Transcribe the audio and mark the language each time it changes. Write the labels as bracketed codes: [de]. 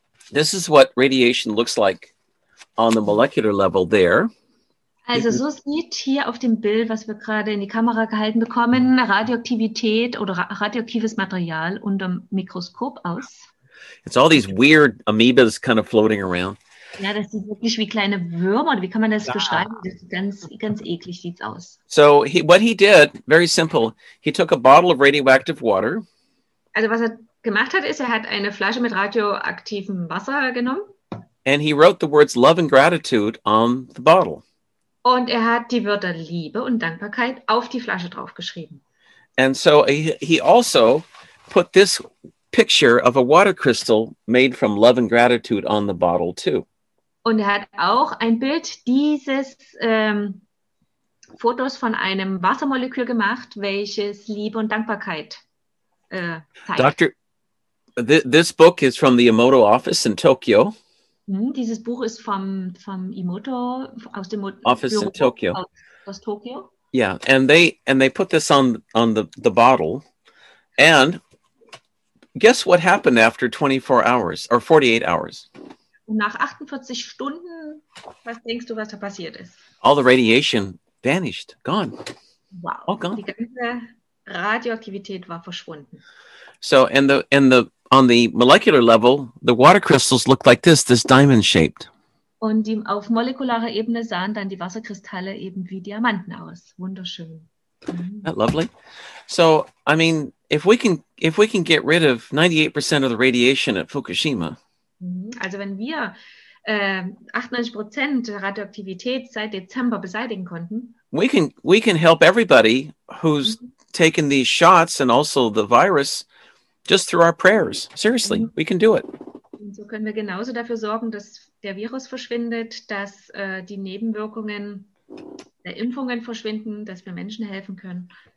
[en] This is what radiation looks like on the molecular level there. [de] Also so sieht hier auf dem Bild, was wir gerade in die Kamera gehalten bekommen, Radioaktivität oder radioaktives Material unter dem Mikroskop aus. [en] It's all these weird amoebas kind of floating around. [de] Ja, das sieht wirklich wie kleine Würmer. Wie kann man das beschreiben? Das ist ganz, ganz eklig sieht's aus. [en] So what he did, very simple, he took a bottle of radioactive water. [de] Also was er gemacht hat, ist, er hat eine Flasche mit radioaktivem Wasser genommen. [en] And he wrote the words love and gratitude on the bottle. [de] Und er hat die Wörter Liebe und Dankbarkeit auf die Flasche draufgeschrieben. [en] And so he also put this picture of a water crystal made from love and gratitude on the bottle too. [de] Und er hat auch ein Bild dieses Fotos von einem Wassermolekül gemacht, welches Liebe und Dankbarkeit zeigt. [en] This book is from the Emoto office in Tokyo. [de] Dieses Buch ist vom Emoto aus dem [en] office [de] Büro [en] in Tokyo. [de] Aus Tokyo. [en] Yeah, and they put this on the bottle. And guess what happened after 24 hours or 48 hours? [de] Nach 48 Stunden, was denkst du, was da passiert ist? [en] All the radiation vanished, gone. Wow. All gone. [de] Die ganze Radioaktivität war verschwunden. [en] So on the molecular level, the water crystals look like this diamond shaped. [de] Und auf molekularer Ebene sahen dann die Wasserkristalle eben wie Diamanten aus. Wunderschön. Mm. [en] That lovely. So, I mean, if we can get rid of 98% of the radiation at Fukushima. [de] Also wenn wir 98% der Radioaktivität seit Dezember beseitigen konnten. [en] We can help everybody who's taken these shots and also the virus. Just through our prayers. Seriously, we can do it. [de] Und so können wir genauso dafür sorgen, dass der Virus verschwindet, dass die Nebenwirkungen der Impfungen verschwinden, dass wir Menschen helfen können.